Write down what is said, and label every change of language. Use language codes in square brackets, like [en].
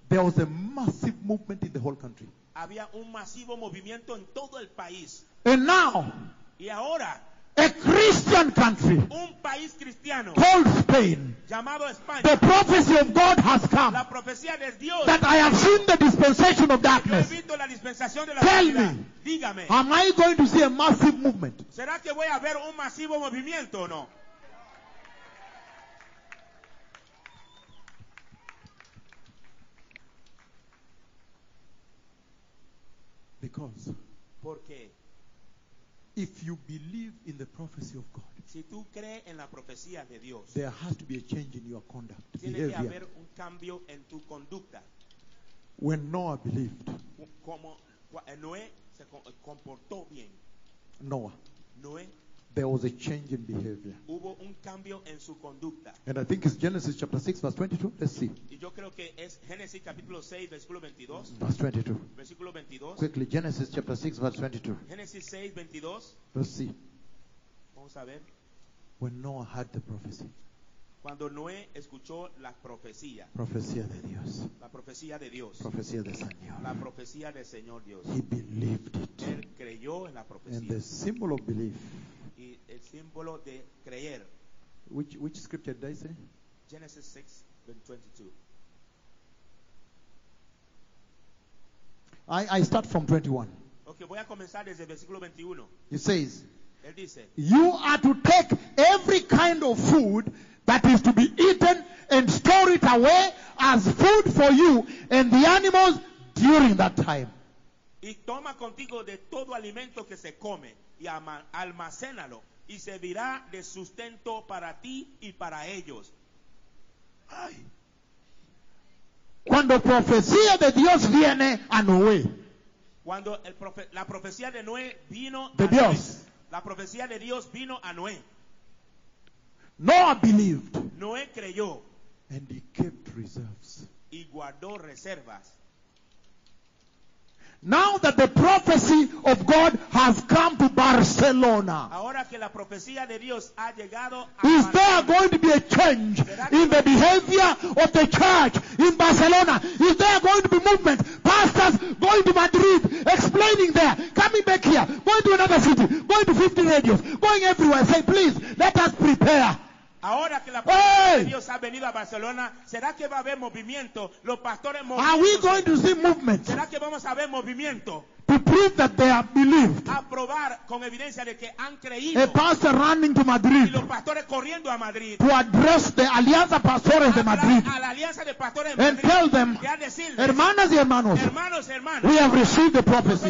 [en] there was a massive movement in the whole country. [es] Había un masivo movimiento en todo el país. [en] And now, [es] y ahora, [en] a Christian country, [es] un país cristiano, [en] called Spain, [es] llamado España, [en] the prophecy of God has come, [es] la profecía de Dios, [en] that I have seen the dispensation of darkness. [es] Yo he visto la dispensación de la [en] tell [es] realidad. [en] Me, [es] dígame, [en] am I going to see a massive movement? [es] ¿Será que voy a ver un masivo movimiento o no? [en] Because [es] porque [en] if you believe in the prophecy of God, [es] si tú crees en la profecía de Dios, [en] there has to be a change in your conduct. [es] Tiene [en] behavior. [es] Que haber un cambio en tu conducta. [en] When Noah believed, [es] como Noé se comportó bien. [en] Noé, there was a change in behavior. [es] Hubo un cambio en su conducta. [en] And I think it's Genesis chapter 6, verse 22. Let's see. [es] Y yo creo que es Génesis capítulo 6, versículo 22. [en] Verse 22. [es] Versículo 22. [en] Quickly, Genesis chapter 6, verse 22. [es] Génesis 6, 22. [en] Let's see. [es] Vamos a ver. [en] When Noah heard the prophecy. [es] Cuando Noé escuchó la profecía. Profecía de Dios. La profecía de Dios. Profecía del Señor. La profecía del Señor Dios. [en] He believed it. [es] Él creyó en la profecía. [en] And the symbol of belief. [es] Y el símbolo de creer. [en] Which scripture did I say? Genesis 6, 22. I start from 21. Okay, [es] voy a comenzar desde el versículo 21. [en] It says, [es] él dice, [en] you are to take every kind of food that is to be eaten and store it away as food for you and the animals during that time. [es] Y toma contigo de todo alimento que se come y almacénalo y servirá de sustento para ti y para ellos. Ay. Cuando profecía de Dios viene a Noé. Cuando la profecía de Noé vino de a Dios. Noé. La profecía de Dios vino a Noé. [en] Noah believed. [es] Noé creyó. [en] And he kept reserves. [es] Y guardó reservas. [en] Now that the prophecy of God has come to Barcelona, [es] ahora que la profecía de Dios ha llegado a [en] is there going to be a change in the behavior of the church in Barcelona? Is there going to be movement? Pastors going to Madrid, explaining there, coming back here, going to another city, going to 50 radios, going everywhere, say, please, let us prepare. [es] Ahora que la profecía de Dios ha venido a Barcelona, ¿será que va a haber movimiento? Los pastores movimientos. [en] Are we going to see movement? [es] ¿Será que vamos a ver movimiento? [en] To prove that they have believed. [es] A probar con evidencia de que han creído. [en] A pastor running to Madrid. [es] Y los pastores corriendo a Madrid. [en] To address the Alianza Pastores de Madrid. [es] A la Alianza de Pastores de [en] Madrid. And tell them, [es] y a decirles, hermanas y hermanos, hermanos, hermanas, [en] we have received the prophecy.